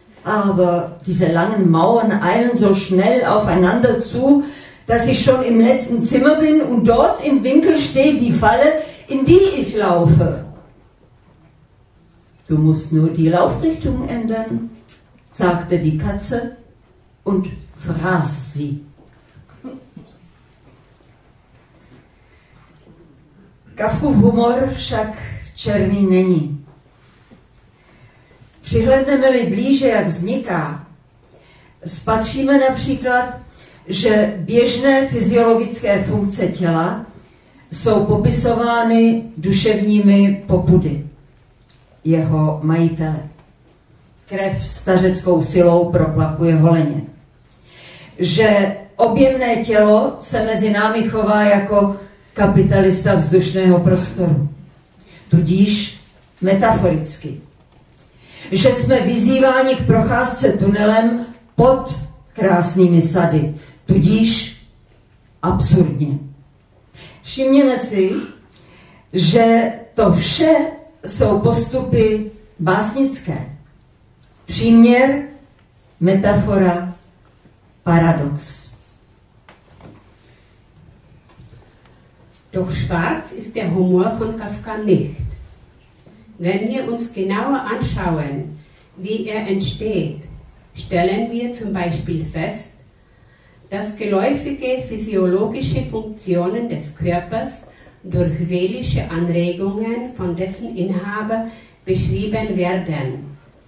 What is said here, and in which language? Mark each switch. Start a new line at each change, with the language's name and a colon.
German: Aber diese langen Mauern eilen so schnell aufeinander zu, dass ich schon im letzten Zimmer bin und dort im Winkel steht die Falle, in die ich laufe. Du musst nur die Laufrichtung ändern, sagte die Katze und fraß sie.
Czech: Kafkův humor však černý není. Přihlédneme-li blíže, jak vzniká, spatříme například, že běžné fyziologické funkce těla jsou popisovány duševními popudy jeho majitele. Krev stařeckou silou proplachuje holeně. Že objemné tělo se mezi námi chová jako kapitalista vzdušného prostoru. Tudíž metaforicky. Že jsme vyzýváni k procházce tunelem pod krásnými sady. Tudíž absurdně. Všimněme si, že to vše jsou postupy básnické. Příměr, metafora, paradox.
German: Doch schwarz ist der Humor von Kafka nicht. Wenn wir uns genauer anschauen, wie er entsteht, stellen wir zum Beispiel fest, dass geläufige physiologische Funktionen des Körpers durch seelische Anregungen von dessen Inhaber beschrieben werden.